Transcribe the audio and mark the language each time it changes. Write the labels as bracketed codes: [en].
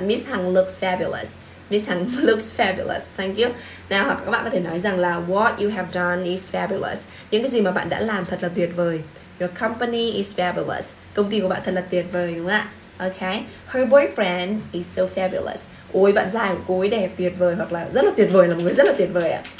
[en] Miss Hằng looks fabulous. Miss Hằng looks fabulous. Thank you. [vi] Nào hoặc các bạn có thể nói rằng là [en] what you have done is fabulous. [vi] Những cái gì mà bạn đã làm thật là tuyệt vời. [en] Your company is fabulous. [vi] Công ty của bạn thật là tuyệt vời đúng không ạ? [en] Okay. Her boyfriend is so fabulous. [vi] Ôi bạn trai của cô ấy đẹp tuyệt vời, hoặc là rất là tuyệt vời, là một người rất là tuyệt vời ạ.